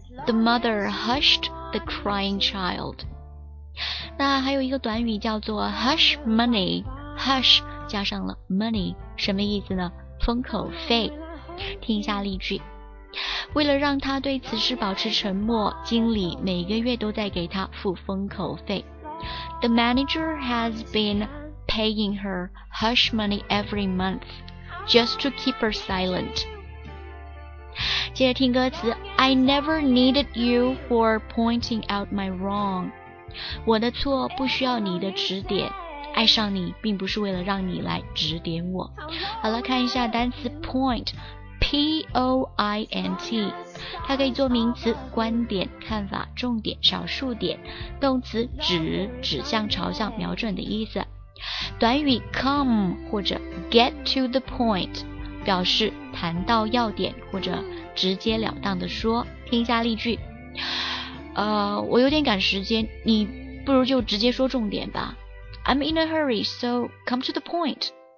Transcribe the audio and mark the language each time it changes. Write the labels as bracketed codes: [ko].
[en] The mother hushed the crying child. [zh] 那还有一个短语叫做 [en] hush money. [zh] Hush 加上了 money, 什么意思呢？封口费。听一下例句。为了让他对此事保持沉默，经理每个月都在给他付封口费。 [en] The manager has been paying her hush money every month just to keep her silent. [zh] 接着听歌词 [en] I never needed you for pointing out my wrong [zh] 我的错不需要你的指点爱上你并不是为了让你来指点我好了看一下单词 point P-O-I-N-T 它可以做名词观点看法重点少数点动词指指向朝向瞄准的意思短语 come 或者 get to the point 表示谈到要点或者直接了当的说，听一下例句。我有点赶时间，你不如就直接说重点吧。 [en] I'm in a hurry, so come to the point.